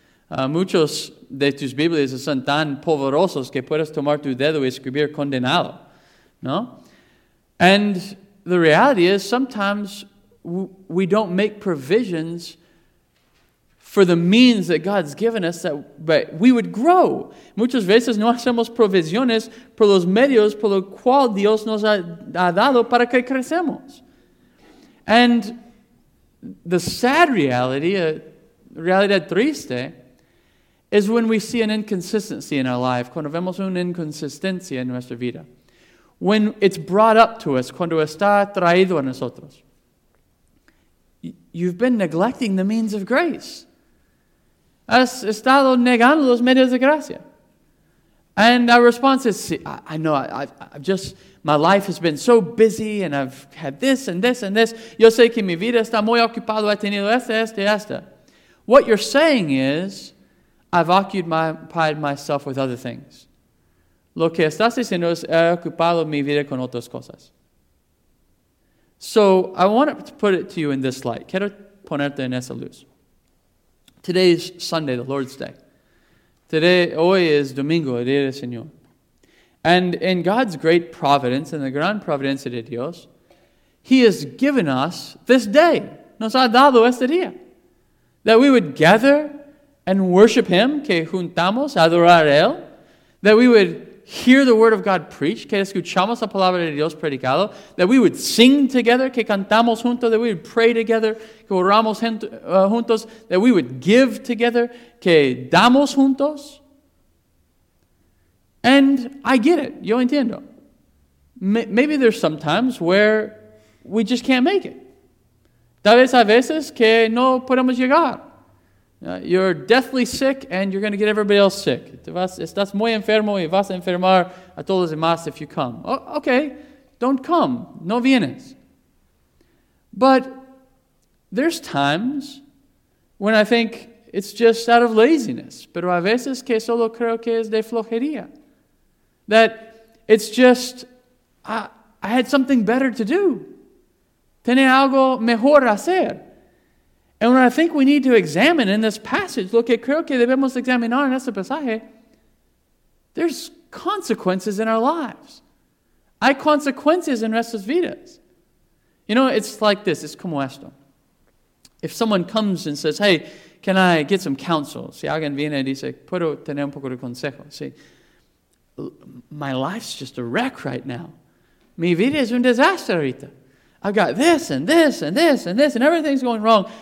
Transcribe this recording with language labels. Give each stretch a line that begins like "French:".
Spanish: Muchos de tus Biblias son tan polvorosos que puedes tomar tu dedo y escribir condenado. No?
English: And the reality is sometimes we don't make provisions for the means that God's given us that but we would grow.
Spanish: Muchas veces no hacemos provisiones por los medios por los cuales Dios nos ha dado para que crecemos.
English: And the sad reality,
Spanish: a realidad triste,
English: is when we see an inconsistency in our life,
Spanish: cuando vemos una inconsistencia en nuestra vida.
English: When it's brought up to us,
Spanish: cuando está traído a nosotros.
English: You've been neglecting the means of grace.
Spanish: Has estado negando los medios de gracia.
English: And our response is, I know, my life has been so busy, and I've had this and this and this.
Spanish: Yo sé que mi vida está muy ocupado, he tenido este, este, este.
English: What you're saying is, I've occupied myself with other things.
Spanish: Lo que estás diciendo es, he ocupado mi vida con otras cosas.
English: So, I want to put it to you in this light.
Spanish: Quiero ponerte en esa luz.
English: Today's Sunday, the Lord's Day.
Spanish: Hoy es Domingo, el Día del Señor.
English: And in God's great providence, in the
Spanish: gran providencia de Dios,
English: He has given us this day.
Spanish: Nos ha dado este día.
English: That we would gather and worship Him,
Spanish: que juntamos, adorar a Él.
English: That we would hear the word of God preached,
Spanish: que escuchamos la palabra de Dios predicado,
English: that we would sing together,
Spanish: que cantamos juntos,
English: that we would pray together,
Spanish: que oramos juntos,
English: that we would give together,
Spanish: que damos juntos.
English: And I get it,
Spanish: yo entiendo.
English: Maybe there's some times where we just can't make it.
Spanish: Tal vez hay veces que no podemos llegar.
English: You're deathly sick, and you're going to get everybody else sick.
Spanish: Estás muy enfermo y vas a enfermar a todos los demás
English: if you come. Okay, don't come.
Spanish: No vienes.
English: But there's times when I think it's just out of laziness.
Spanish: Pero a veces que solo creo que es de flojería.
English: That it's just, I had something better to do.
Spanish: Tenía algo mejor hacer.
English: And what I think we need to examine in this passage,
Spanish: lo que creo que debemos examinar en este pasaje,
English: there's consequences in our lives.
Spanish: Hay consecuencias en nuestras vidas.
English: You know, it's like this, it's
Spanish: como esto.
English: If someone comes and says, hey, can I get some counsel?
Spanish: Si alguien viene y dice, ¿puedo tener un poco de consejo?
English: Si, my life's just a wreck right now.
Spanish: Mi vida es un desastre ahorita.
English: I've got this and this and this and this and everything's going wrong.